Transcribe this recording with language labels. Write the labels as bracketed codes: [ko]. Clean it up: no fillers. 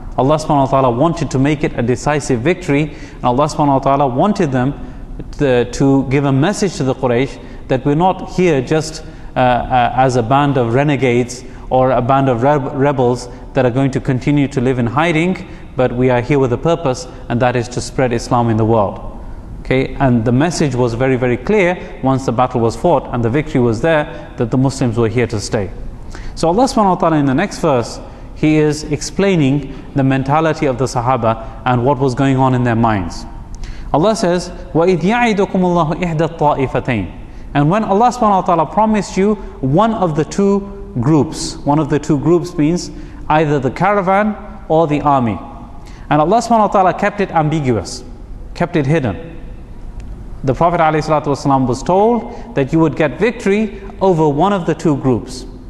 [en] Allah subhanahu wa ta'ala wanted to make it a decisive victory. And Allah subhanahu wa ta'ala wanted them to give a message to the Quraysh that we're not here just as a band of renegades or a band of rebels that are going to continue to live in hiding, but we are here with a purpose, and that is to spread Islam in the world. Okay, and the message was very, very clear once the battle was fought and the victory was there, that the Muslims were here to stay. So Allah subhanahu wa ta'ala in the next verse, He is explaining the mentality of the Sahaba and what was going on in their minds. Allah says, [ar] وَإِذْ يَعِدُكُمُ اللَّهُ إِحْدَى الطَّائِفَتَيْنِ. [en] And when Allah subhanahu wa ta'ala promised you one of the two groups, one of the two groups means either the caravan or the army. And Allah subhanahu wa ta'ala kept it ambiguous, kept it hidden. The Prophet ﷺ was told that you would get victory over one of the two groups.